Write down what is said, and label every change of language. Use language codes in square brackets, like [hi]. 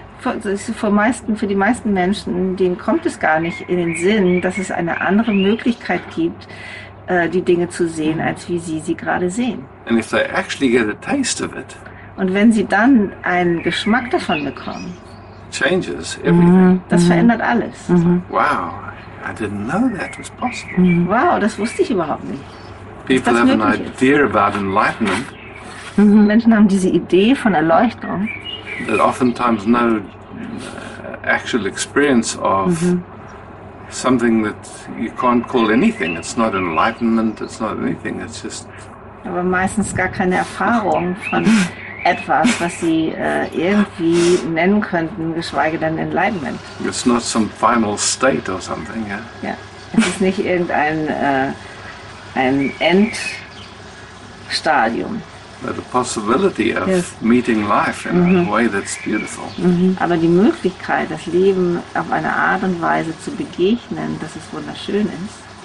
[de] Für die meisten Menschen, denen kommt es gar nicht in den Sinn, dass es eine andere Möglichkeit gibt, die Dinge zu sehen, als wie sie sie gerade sehen. [en] And if they actually get a taste of it, [de] und wenn sie dann einen Geschmack davon bekommen, [en] changes everything. [de] Das verändert alles. [en] Wow, I didn't know that was possible. [de] Wow, das wusste ich überhaupt nicht. [en] People have an idea about enlightenment. [de] Menschen haben diese Idee von Erleuchtung. [en] That oftentimes no actual experience of something that you can't call anything. It's not enlightenment, it's not anything, it's just... [de] Aber meistens gar keine Erfahrung von etwas, was sie irgendwie nennen könnten, geschweige denn enlightenment. [en] It's not some final state or something, yeah? [de] Ja, es ist nicht irgendein... ein Endstadium. [en] The possibility of meeting life in a way that's beautiful. [de] Aber die Möglichkeit, das Leben auf eine Art und Weise zu begegnen, dass es wunderschön ist.